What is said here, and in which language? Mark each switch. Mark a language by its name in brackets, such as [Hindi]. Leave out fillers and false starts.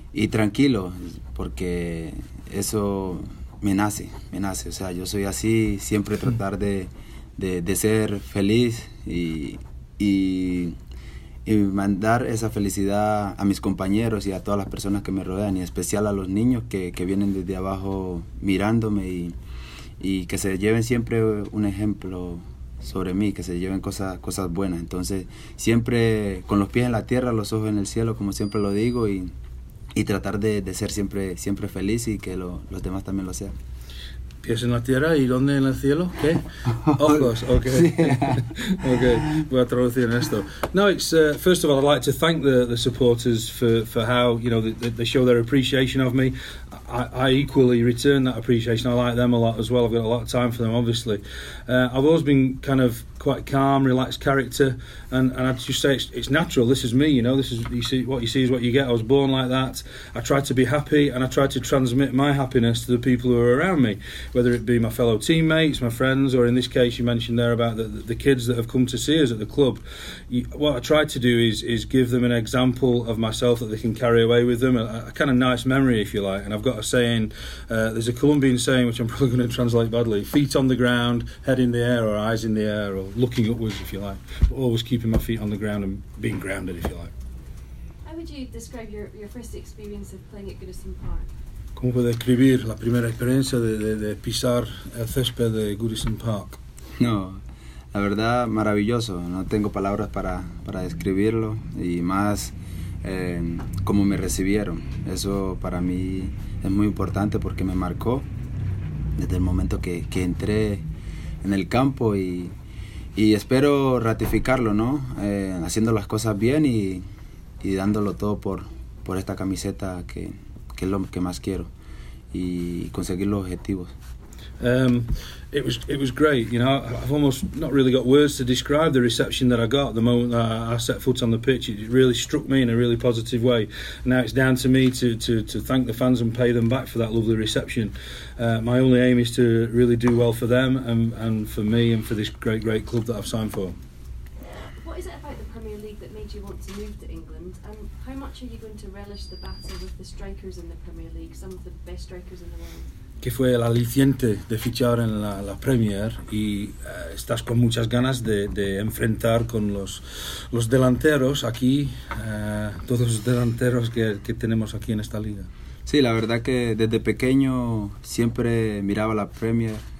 [Spanish] tranquilo, porque eso me nace, o sea, yo soy así, siempre tratar de ser feliz y mandar esa felicidad a mis compañeros y a todas las personas que me rodean, y en especial a los niños que vienen desde abajo mirándome y que se lleven siempre un ejemplo sobre mí, que se lleven cosas buenas. Entonces, siempre con los pies en la tierra, los ojos en el cielo, como siempre lo digo, y tratar de ser siempre feliz y que los demás también lo sean. ¿Pies en la tierra y dónde en el cielo? ¿Qué? Ojos, okay. Sí. Okay, voy a traducir en esto. [English] No, it's first of all, I'd like to thank the supporters for how, you know, they show their appreciation of me. I equally return that appreciation. I like them a lot as well. I've got a lot of time for them, obviously. I've always been kind of quite calm, relaxed character, and I'd just say it's natural. This is me, you know. What you see is what you get. I was born like that. I try to be happy, and I try to transmit my happiness to the people who are around me, whether it be my fellow teammates, my friends, or in this case you mentioned there about the kids that have come to see us at the club. What I try to do is give them an example of myself that they can carry away with them, a kind of nice memory, if you like. And I've got a saying, there's a Colombian saying which I'm probably going to translate badly: feet on the ground, head in the air, or eyes in the air, or looking upwards, if you like, but always keeping my feet on the ground and being grounded, if you like. How would you describe your first experience of playing at Goodison Park? [Spanish] ¿Cómo puede describir la primera experiencia de pisar el césped de Goodison Park? No, la verdad, maravilloso. No tengo palabras para describirlo, y más cómo me recibieron. Eso para mí es muy importante porque me marcó desde el momento que entré en el campo y espero ratificarlo, ¿no? Haciendo las cosas bien y dándolo todo por esta camiseta que es lo que más quiero y conseguir los objetivos. [English] It was great. You know, I've almost not really got words to describe the reception that I got the moment I set foot on the pitch. It really struck me in a really positive way. Now it's down to me to thank the fans and pay them back for that lovely reception. My only aim is to really do well for them and for me and for this great, great club that I've signed for. What is it about the Premier League that made you want to move to England? And how much are you going to relish the battle with the strikers in the Premier League, some of the best strikers in the world? [Spanish] Que fue el aliciente de fichar en la Premier y estás con muchas ganas de enfrentar con los delanteros aquí, todos los delanteros que tenemos aquí en esta liga. Sí, la verdad que desde pequeño siempre miraba la Premier.